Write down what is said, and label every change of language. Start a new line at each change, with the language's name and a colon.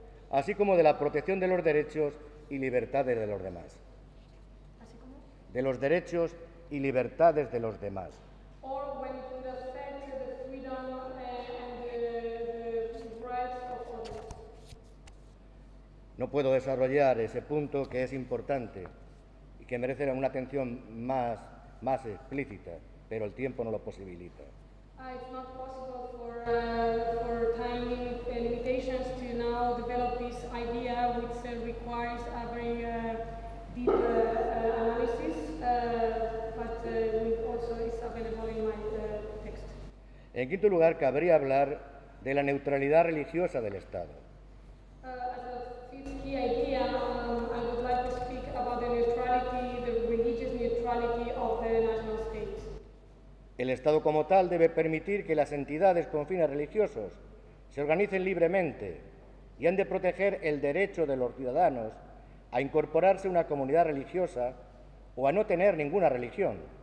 Spanish: Así como de la protección de los derechos y libertades de los demás. ¿Así como? De los derechos y libertades de los demás.
English: Or when it would affect the freedom and the rights of others.
Spanish: No puedo desarrollar ese punto que es importante y que merece una atención más explícita, pero el tiempo no lo posibilita.
English: It's not possible for time limitations to now develop this idea, which requires a very deep analysis, but also is available in my text.
Spanish: En quinto lugar, cabría hablar de la neutralidad religiosa del Estado.
English: As a fifth key idea, I would like to speak about the neutrality, the religious neutrality of the national state.
Spanish: El Estado como tal debe permitir que las entidades con fines religiosos se organicen libremente y han de proteger el derecho de los ciudadanos a incorporarse a una comunidad religiosa o a no tener ninguna religión.